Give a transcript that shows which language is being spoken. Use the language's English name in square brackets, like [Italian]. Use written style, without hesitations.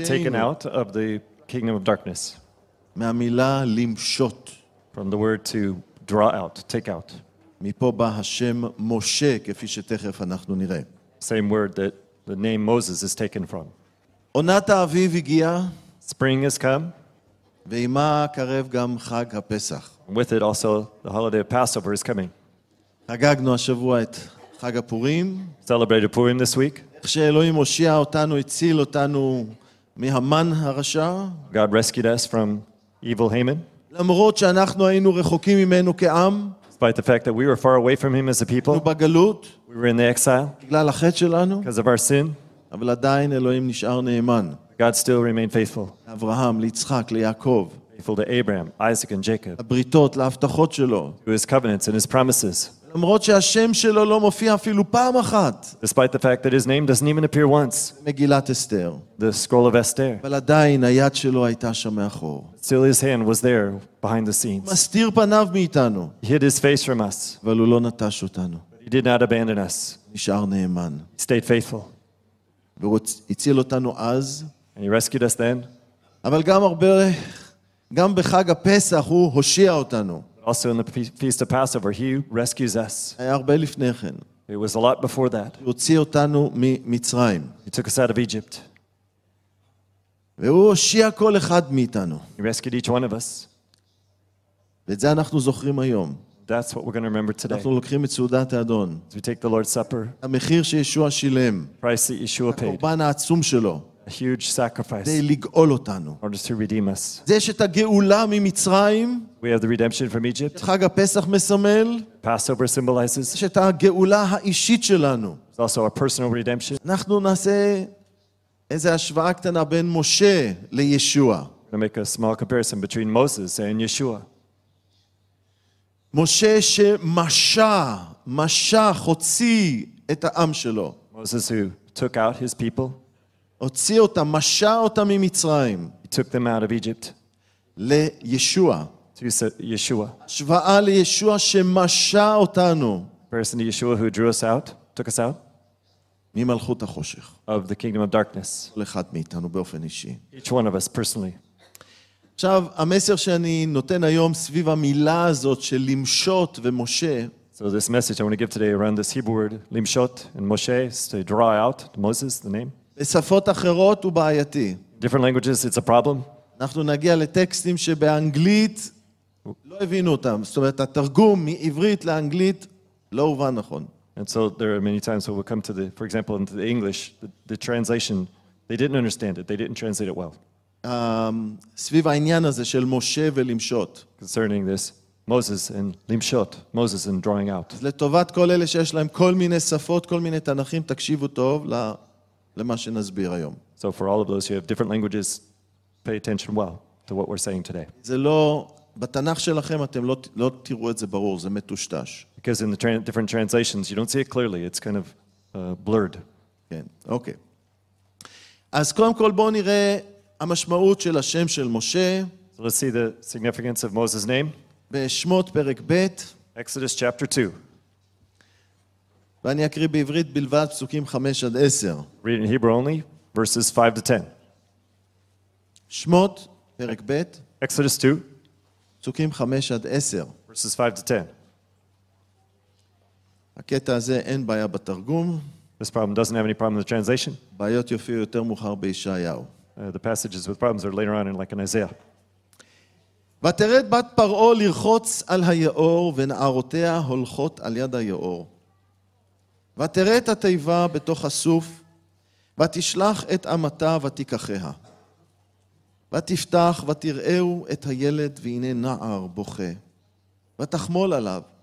[English] We're taken out of the kingdom of darkness. [Hebrew] מהמילה למשות. [English] From the word to draw out, take out. [Hebrew] מפה בא השם משה, כפי שתכף אנחנו נראה. [English] Same word that the name Moses is taken from. [Hebrew] עונת האביב הגיעה. [English] Spring has come. [Hebrew] ועימה קרב גם חג הפסח. [English] With it also the holiday of Passover is coming. [Hebrew] חגגנו השבוע את חג הפורים. [English] Celebrated Purim this week. [Hebrew] כשאלוהים הושיע אותנו, הציל אותנו מהמן הרשע. [English] God rescued us from evil Haman. [Hebrew] למרות שאנחנו היינו רחוקים ממנו כעם. [English] Despite the fact that we were far away from him as a people. [Hebrew] היינו בגלות. [English] We were in the exile. [Hebrew] בגלל החטא שלנו. [English] Because of our sin. [Hebrew] אבל עדיין אלוהים נשאר נאמן. [English] God still remained faithful. [Hebrew] אברהם, ליצחק, ליעקב. [English] Faithful to Abraham, Isaac and Jacob. [Hebrew] הבריתות, להבטחות שלו. [English] To his covenants and his promises. [Hebrew] למרות שהשם שלו לא מופיע אפילו פעם אחת. [English] Despite the fact that his name doesn't even appear once. [Hebrew] מגילת אסתר. [English] The scroll of Esther. [Hebrew] אבל עדיין היד שלו הייתה שם מאחור. [English] Still his hand was there behind the scenes. [Hebrew] מסתיר פניו מאיתנו. [English] He hid his face from us. [Hebrew] אבל הוא לא נטש אותנו. [English] But he did not abandon us. [Hebrew] נשאר נאמן. [English] He stayed faithful. [Hebrew] והוא הציל אותנו אז. [English] And he rescued us then. [Hebrew] אבל גם הרבה, גם בחג הפסח הוא הושיע אותנו. [English] Also in the feast of Passover, he rescues us. [Hebrew] היה הרבה לפני כן. [English] It was a lot before that. [Hebrew] הוא הוציא אותנו ממצרים. [English] He took us out of Egypt. [Hebrew] והוא הושיע כל אחד מאיתנו. [English] He rescued each one of us. [Hebrew] ואת זה אנחנו זוכרים היום. [English] That's what we're going to remember today. [Hebrew] אנחנו לוקחים את סעודת האדון. [English] As we take the Lord's Supper. [Hebrew] המחיר שישוע שילם. [English] Price that Yeshua paid. [Hebrew] הקורבן העצום שלו. [English] A huge sacrifice. [Hebrew] כדי לגאול אותנו. [English] Or just to redeem us. [Hebrew] זה שאת הגאולה ממצרים. [English] We have the redemption from Egypt. [Hebrew] חג הפסח מסמל. [English] Passover symbolizes. [Hebrew] שאת הגאולה האישית שלנו. [English] It's also our personal redemption. [Hebrew] אנחנו נעשה איזה השוואה קטנה בין משה לישוע. [English] We're going to make a small comparison between Moses and Yeshua. [Hebrew] משה שמשך, הוציא את העם שלו. [English] Moses who took out his people. [Hebrew] הוציא אותם, משה אותם ממצרים. [English] He took them out of Egypt. [Hebrew] לישוע. [English] To Yeshua. [Hebrew] שוואה לישוע שמשה אותנו. [English] Person to Yeshua who drew us out, took us out. [Hebrew] ממלכות החושך. [English] Of the kingdom of darkness. [Hebrew] לאחד מאיתנו באופן אישי. [English] Each one of us personally. [Hebrew] עכשיו, המסר שאני נותן היום סביב המילה הזאת של למשות ומשה. [English] So this message I want to give today around this Hebrew word, למשות and משה, is to draw out Moses, the name. [Hebrew] בשפות אחרות הוא בעייתי. [English] Different languages, it's a problem. [Hebrew] אנחנו נגיע לטקסטים שבאנגלית לא הבינו אותם. זאת אומרת, התרגום מעברית לאנגלית לא הובן נכון. [English] And so there are many times when we come to the, for example, into the English, the translation, they didn't understand it, they didn't translate it well. [Hebrew] סביב העניין הזה של משה ולמשות. [English] Concerning this, Moses and limshot, Moses and drawing out. [Hebrew] אז לטובת כל אלה שיש להם כל מיני שפות, כל מיני תנכים, תקשיבו טוב למה שנסביר היום. [English] So for all of those who have different languages, pay attention well to what we're saying today. [Hebrew] זה לא, בתנך שלכם אתם לא תראו את זה ברור, זה מטושטש. [English] Because in the different translations, you don't see it clearly, it's kind of blurred. [Hebrew] כן, אוקיי. אז קודם כל בואו נראה המשמעות של השם של משה. [English] So let's see the significance of Moses' name. [Hebrew] בשמות פרק ב'. [English] Exodus chapter 2. [Hebrew] ואני אקריא בעברית בלבד פסוקים 5 עד 10. [English] Read in Hebrew only, verses 5 to 10. [Hebrew] שמות, פרק ב'. [English] Exodus 2. [Hebrew] פסוקים 5 עד 10. [English] Verses 5 to 10. [Hebrew] הקטע הזה אין בעיה בתרגום. [English] This problem doesn't have any problem in the translation. [Hebrew] בעיות יופיעו יותר מאוחר בישעיהו. [English] The passages with problems are later on in like an Isaiah. [Hebrew] ותרד בת פרעה לרחוץ על היאור, ונערותיה הולכות על יד היאור. ותראה את התיבה בתוך הסוף, ותשלח את עמתה ותיקחיה. ותפתח ותראהו את הילד, והנה נער בוכה. ותחמול עליו.